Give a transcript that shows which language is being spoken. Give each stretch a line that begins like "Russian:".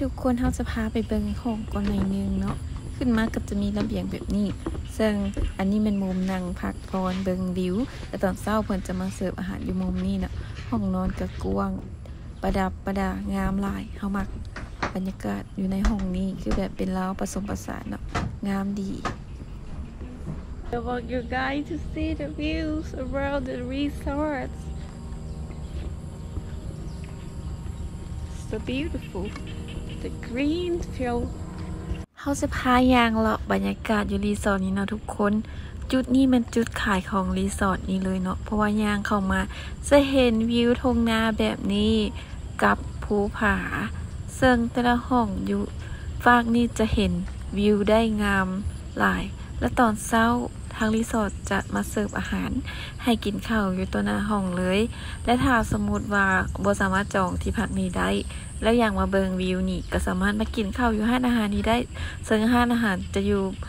Thai: แล้วทุกคนเขาจะพาไปเบิ่งของก่อนหน่อยนึงเนาะขึ้นมาก็จะมีระเบียงแบบนี้ซึ่งอันนี้เป็นมุมนั่งพักผ่อนเบิ่งวิวแล้วตอนเช้าเพิ่นจะมาเสิร์ฟอาหารอยู่มุมนี้เนาะห้องนอนก็กว้างประดับประดางามหลายเฮามักบรรยากาศอยู่ในห้องนี้คือแบบเป็นเล้าผสมผสานเนาะงามดี
English: I want you guys to see the views around the resortSo beautiful, the green field.
Thai: เขาจะพายางเลาะบรรยากาศอยู่รีสอร์ทนี้เนาะทุกคนจุดนี้มันจุดขายของรีสอร์ทนี้เลยเนาะเพราะว่ายางเข้ามาจะเห็นวิวทงนาแบบนี้กับภูผา ซึ่งแต่ละห้องอยู่ฝากนี้จะเห็นวิวได้งามหลายและตอนเช้าทางรีสอร์ทจะมาเสิร์ฟอาหารให้กินข้าวอยู่ตัวหน้าห้องเลยและถ้าสมมุติว่าบ่สามารถจองที่พักนี้ได้แล้วอยากมาเบิ่งวิวนี่ก็สามารถมากินข้าวอยู่ห้านอาหารนี้ได้ซึ่งห้านอาหารจะอยู่